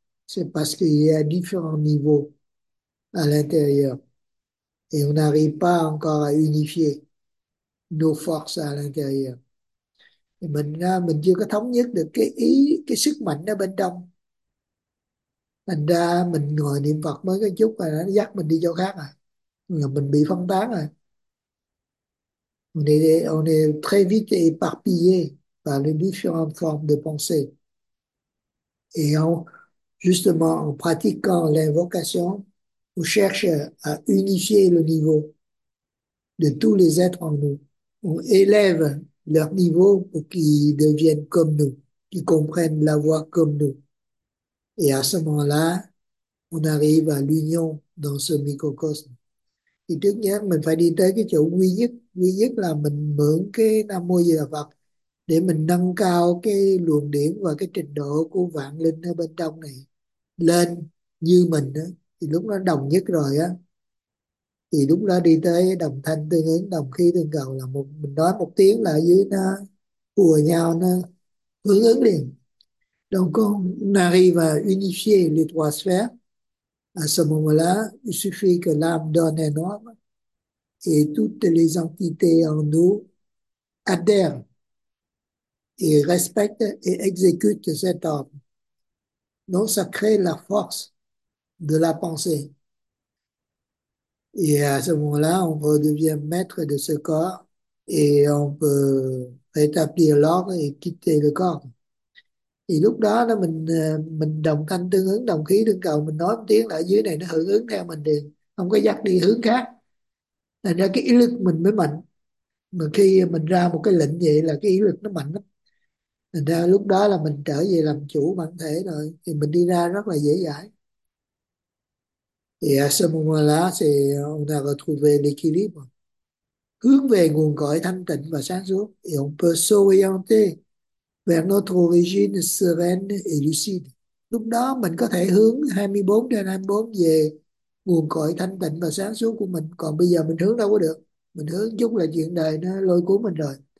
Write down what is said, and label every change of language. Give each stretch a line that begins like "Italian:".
French: C'est parce qu'il y a différents niveaux à l'intérieur. Et on n'arrive pas encore à unifier nos forces à l'intérieur.
Vietnamese: mình chưa có thống nhất được cái ý, cái sức mạnh ở bên trong, thành ra mình ngồi niệm Phật mới có chút là nó dắt mình đi chỗ khác rồi, mình bị phân tán rồi.
French: On est très vite éparpillé par les différentes formes de pensée. Et justement, en pratiquant l'invocation, on cherche à unifier le niveau de tous les êtres en nous. On élève leur niveau pour qu'ils deviennent comme nous, qu'ils comprennent la voie comme nous. Et à ce moment-là, on arrive à l'union dans ce microcosme.
Vietnamese: Thì trước nhất mình phải đi tới cái chỗ quy nhất. Quy nhất là mình mượn cái Nam Mô Di Đà Phật để mình nâng cao cái luồng điển và cái trình độ của vạn linh ở bên trong này lên như mình đó. Thì lúc đó đồng nhất rồi á, thì lúc đó đi tới đồng thanh tương ứng, đồng khí tương cầu, là một mình nói một tiếng là dưới nó hùa nhau, nó hướng ứng liền.
French: Donc on arrive à unifier les trois sphères. À ce moment-là, il suffit que l'âme donne un ordre et toutes les entités en nous adhèrent et respectent et exécutent cet ordre. Donc, ça crée la force de la pensée. Et à ce moment-là, on redevient maître de ce corps et on peut rétablir l'ordre et quitter le corps.
Vietnamese: Thì lúc đó là mình đồng thanh tương ứng, đồng khí tương cầu, mình nói một tiếng là dưới này nó hưởng ứng theo mình thì không có dắt đi hướng khác, thành ra cái ý lực mình mới mạnh. Mà khi mình ra một cái lệnh vậy là cái ý lực nó mạnh lắm, thành ra lúc đó là mình trở về làm chủ bản thể rồi, thì mình đi ra rất là dễ dãi.
French: Thì à ce moment-là c'est on a retrouvé l'équilibre,
Vietnamese: hướng về nguồn cõi thanh tịnh và sáng suốt,
French: et on peut s'orienter vers notre origine sereine et lucide.
Vietnamese: Lúc đó mình có thể hướng 24 trên 24 về nguồn cội thanh tịnh và sáng suốt của mình. Còn bây giờ mình hướng đâu có được. Mình hướng chung là chuyện đời nó lôi cuốn mình rồi.